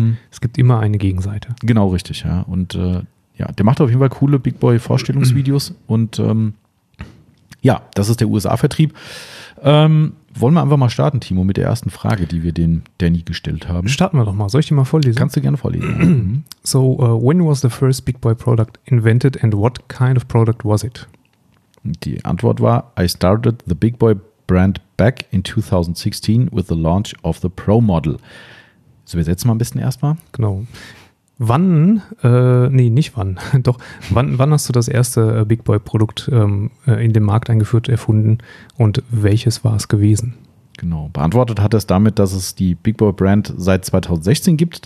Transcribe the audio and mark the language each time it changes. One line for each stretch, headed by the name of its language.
German: Es gibt immer eine Gegenseite. Genau, richtig, ja, und der macht auf jeden Fall coole Big Boy Vorstellungsvideos und das ist der USA-Vertrieb. Wollen wir einfach mal starten, Timo, mit der ersten Frage, die wir den Danny gestellt haben. Starten wir doch mal, soll ich die mal vorlesen? Kannst du gerne vorlesen.
English: So, when was the first Big Boy product invented and what kind of product was it?
German: Die Antwort war,
English: I started the Big Boy brand back in 2016 with the launch of the Pro Model.
German: So, wir setzen mal ein bisschen erstmal. Genau. Wann, wann hast du das erste Big Boy Produkt in den Markt eingeführt, erfunden und welches war es gewesen? Genau. Beantwortet hat er es damit, dass es die Big Boy Brand seit 2016 gibt.